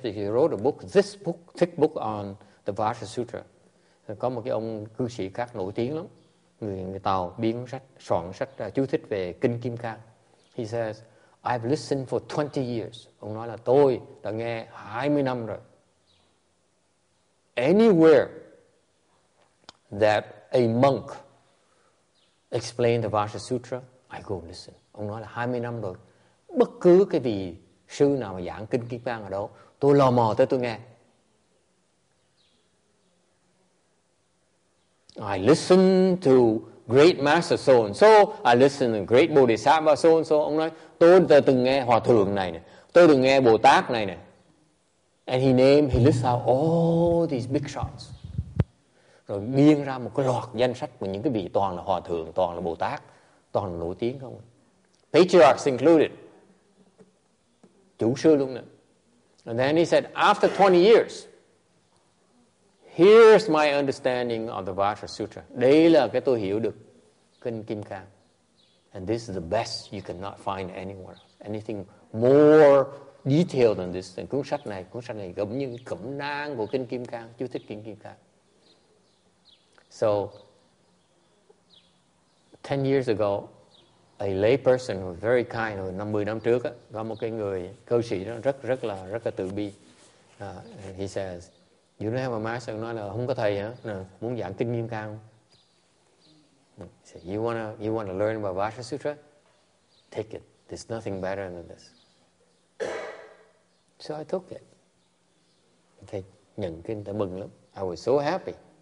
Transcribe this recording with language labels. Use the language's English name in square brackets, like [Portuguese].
[English] He wrote a book, this book, thick book on the Vajra Sutra. [Vietnamese] Có một cái ông cư sĩ khác nổi tiếng lắm, người Tàu biên sách, soạn sách chú thích về Kinh Kim Cang. [English] He says, I've listened for 20 years. [Vietnamese] Ông nói là tôi đã nghe 20 năm rồi. [English] Anywhere that a monk explained the Vajra Sutra, I go listen. [Vietnamese] Ông nói là 20 năm rồi. Bất cứ cái vị sư nào mà giảng Kinh Kim Cang ở đâu, tôi lò mò tới tôi nghe. [English] I listen to great master so and so, I listen to great bodhisattva so and so. [Vietnamese] Ông nói, tôi đã từng nghe Hòa Thượng này nè, tôi từng nghe Bồ Tát này nè. [English] And he lists out all these big shots. [Vietnamese] Rồi biên ra một cái loạt danh sách của những cái vị toàn là Hòa Thượng, toàn là Bồ Tát, toàn là nổi tiếng không? [English] Patriarchs included. [Vietnamese] Chủ sư luôn nè. [English] And then he said, after 20 years, here's my understanding of the Vajra Sutra. [Vietnamese] Đây là cái tôi hiểu được Kinh Kim Cang. [English] And this is the best you cannot find anywhere. Anything more detailed than this. [Vietnamese] And cuốn sách này giống như cẩm nang của Kinh Kim Cang, chú thích Kinh Kim Cang. [English] So, 10 years ago, a lay person who was very kind, [Vietnamese] 50 năm trước, có một cái người cư sĩ đó rất là từ bi. [English] And he says, you don't have a master. [Vietnamese] Nói là không có thầy hả? Nè, muốn giảng Kinh Kim Cang. [English] So you wanna learn about Vajra Sutra? Take it. There's nothing better than this. So I took it. [Vietnamese] Thầy nhận kinh đã mừng lắm. [English] I was so happy.